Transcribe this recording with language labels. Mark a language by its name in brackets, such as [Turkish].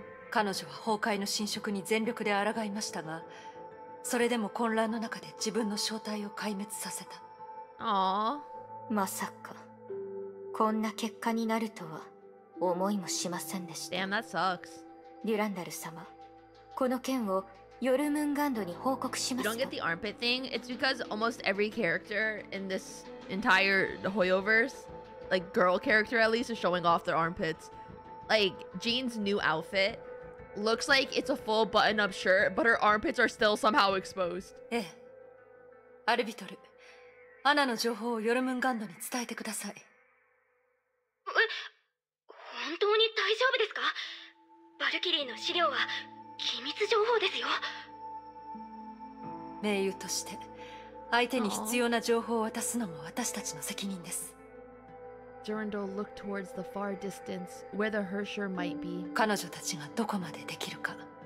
[Japanese] 彼女は崩壊の侵食に全力で抗いましたが、それでも混乱の中で自分の正体を壊滅させた。ああ。まさか、こんな結果になるとは思いもしませんでした。 [English] Damn, that sucks. [Japanese] デュランダル様、この件をヨルムンガンドに報告します [English] か。You don't get the armpit thing? It's because almost every character in this entire Hoyoverse, like girl character at least, is showing off their armpits. Like, Jean's new outfit. Looks like it's a full button-up shirt, but her armpits are still somehow exposed. [Japanese] ええ、アルビトル、アナの情報をヨルムンガンドに伝えてください。え、本当に大丈夫ですか？バルキリーの資料は機密情報ですよ。盟友として、相手に必要な情報を渡すのも私たちの責任です。 [English] Durandal looked towards the far distance where the Hersher might be. [Japanese] 彼女たちがどこまでできるか。